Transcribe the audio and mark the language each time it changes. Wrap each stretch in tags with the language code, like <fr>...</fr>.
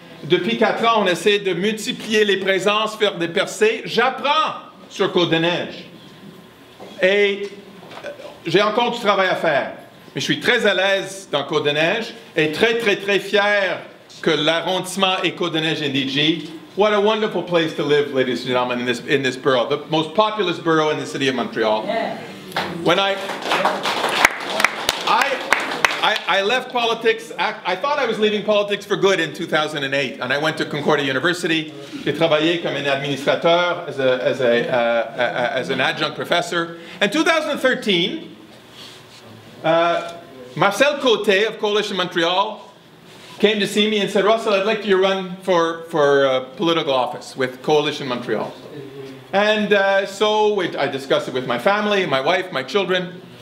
<fr>Depuis 4 ans, on essaie de multiplier les présences, faire des percées. J'apprends sur Côte-des-Neiges. Et j'ai encore du travail à faire. Mais je suis très à l'aise dans Côte-des-Neiges et très, très, très fier que l'arrondissement et Côte-des-Neiges-NDG.</fr> <en>What a wonderful place to live, ladies and gentlemen, in this borough, the most populous borough in the city of Montreal. Yes. When I left politics, I thought I was leaving politics for good in 2008, and I went to Concordia University.</en> <fr>J'ai travaillé comme un administrateur,</fr> <en>as an adjunct professor. In 2013, Marcel Côté of Coalition Montreal came to see me and said, Russell, I'd like you to run for political office with Coalition Montreal. And so I discussed it with my family, my wife, my children.</en>